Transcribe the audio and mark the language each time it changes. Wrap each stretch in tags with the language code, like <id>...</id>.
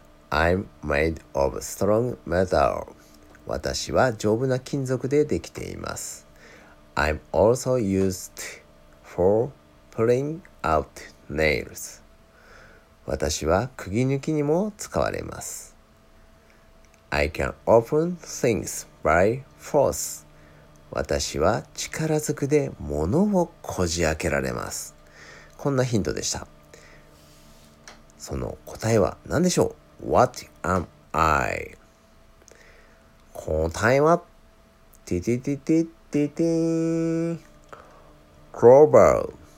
<en>I'm made of strong metal。</en> <ja>私は丈夫な金属でできています。</ja> <en>I'm also used for pulling out nails。</en> <ja>私は釘抜きにも使われます。</ja> <en>I can open things by force。</en> <ja>私は力ずくで物をこじ開けられます。こんなヒントでした。その答えは何でしょう。</ja> <en>What am I?</en> <ja>答えはティティティティティティーン、クローバー。</ja>